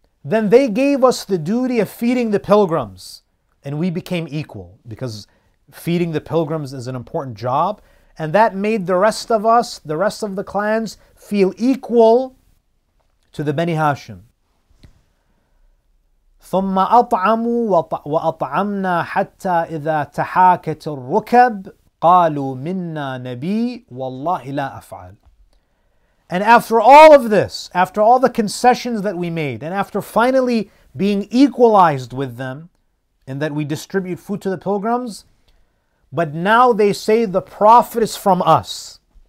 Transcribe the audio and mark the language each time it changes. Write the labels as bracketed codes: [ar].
[en] Then they gave us the duty of feeding the pilgrims, and we became equal, because feeding the pilgrims is an important job, and that made the rest of us, the rest of the clans, feel equal to the Bani Hashim. [ar] ثُمَّ أَطْعَمُوا وَأَطْعَمْنَا حَتَّى إِذَا تَحَاكَتِ الرُّكَبْ قَالُوا مِنَّا نَبِيٌّ وَاللَّهِ لَا أَفْعَلُ. [en] And after all of this, after all the concessions that we made, and after finally being equalized with them, in that we distribute food to the pilgrims, but now they say the Prophet is from us.